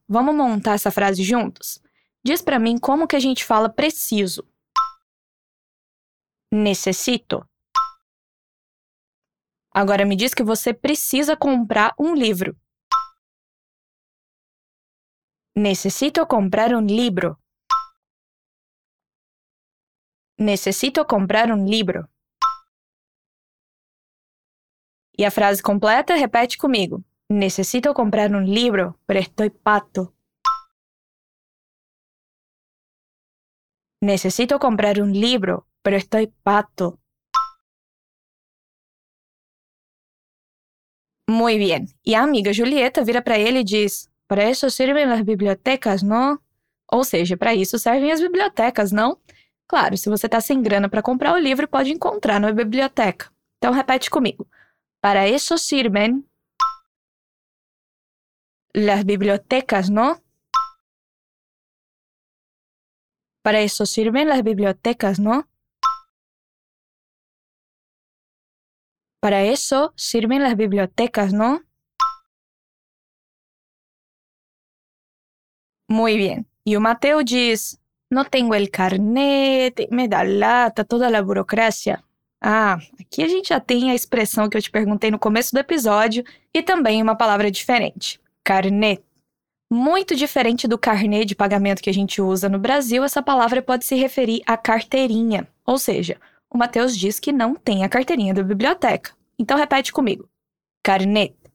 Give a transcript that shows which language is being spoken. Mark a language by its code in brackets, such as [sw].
[pt] Vamos montar essa frase juntos? Diz pra mim como que a gente fala preciso. Necessito. Agora me diz que você precisa comprar um livro. Necessito comprar um livro. [es] Necesito comprar un libro. Y la frase completa, repite conmigo. Necesito comprar un libro, pero estoy pato. Necesito comprar un libro, pero estoy pato. Muy bien. Y amiga Julieta vira para él y dice, para eso sirven las bibliotecas, ¿no? O sea, para eso sirven las bibliotecas, ¿no? [pt] Claro, se você está sem grana para comprar o livro, pode encontrar na biblioteca. Então, repete comigo. Para isso [es] sirven las bibliotecas, ¿no? [pt] Para isso [es] sirven las bibliotecas, ¿no? [pt] Para isso [es] sirven las bibliotecas, ¿no? Muy bien. [pt] E o Mateo diz... [es] No tengo el carnet, me da lata, toda la burocracia. [pt] Ah, aqui a gente já tem a expressão que eu te perguntei no começo do episódio e também uma palavra diferente. Carnet. Muito diferente do carnet de pagamento que a gente usa no Brasil, essa palavra pode se referir à carteirinha. Ou seja, o Mateus diz que não tem a carteirinha da biblioteca. Então, repete comigo. Carnet.